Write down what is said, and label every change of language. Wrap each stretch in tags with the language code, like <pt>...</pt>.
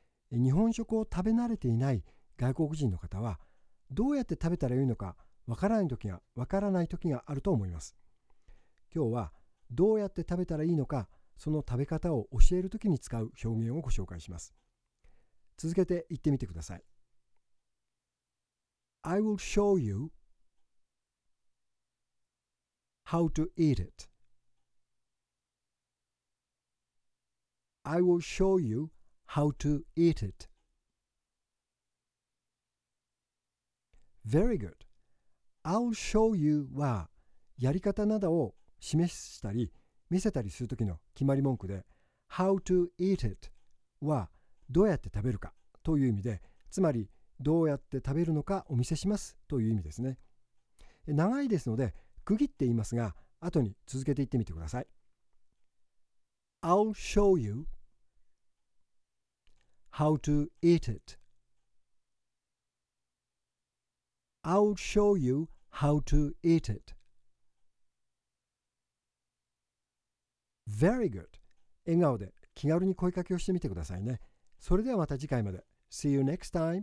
<ja>日本食を食べ慣れていない外国人の方はどうやって食べたらよいのかわからない時があると思います。今日はどうやって食べたらいいのか、その食べ方を教える時に使う表現をご紹介します。続けて言ってみてください。</ja> <en>I will show you how to eat it. I will show you how to eat it. Very good. I'll show you</en> <ja>はやり方などを示したり見せたりするときの決まり文句で、</ja> <en>How to eat it</en> <ja>はどうやって食べるかという意味で、つまりどうやって食べるのかお見せしますという意味ですね。長いですので区切って言いますが、後に続けて言ってみてください。</ja> <en>I'll show you how to eat itI'll show you how to eat it. Very good.</en> <ja>笑顔で気軽に声かけをしてみてくださいね。それではまた次回まで。</ja> <en>See you next time.</en>